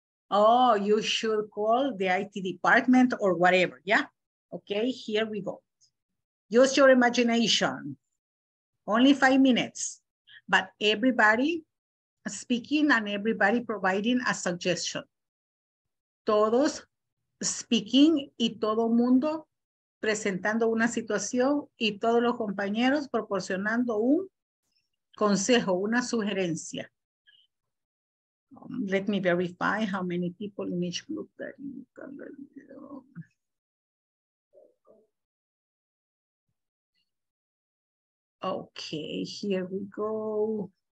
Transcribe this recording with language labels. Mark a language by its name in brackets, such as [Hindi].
[English] Oh, you should call the IT department or whatever. Yeah. Okay, here we go. Use your imagination, only 5 minutes, but everybody speaking and everybody providing a suggestion. [Spanish] Todos speaking y todo mundo presentando una situación y todos los compañeros proporcionando un consejo, una sugerencia. [English] Let me verify how many people in each group that you can read. Okay, here we go.